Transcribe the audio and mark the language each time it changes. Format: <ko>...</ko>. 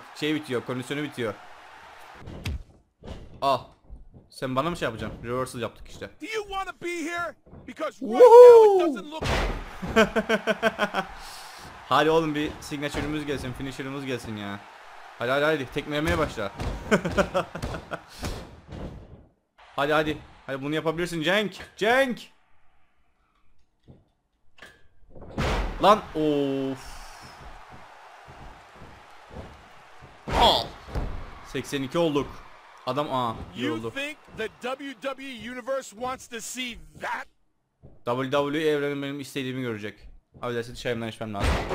<tr>Şey bitiyor, kondisyonu bitiyor. Ah. Sen bana mı şey yapacaksın? Reversal yaptık işte.</tr> <en>Do you want to be here? Because right now it doesn't look.</en> <tr>Hadi oğlum, bir signature'ımız gelsin, finisher'ımız gelsin ya. Hadi tekmelemeye başla. Hadi bunu yapabilirsin Cenk. Lan of. Al. 82 olduk. Adam a.</tr> <en>You think the WWE universe wants to see that?</en> <tr>WWE evreni benim istediğimi görecek. Abi dersin şeyimden içmem lazım.</tr>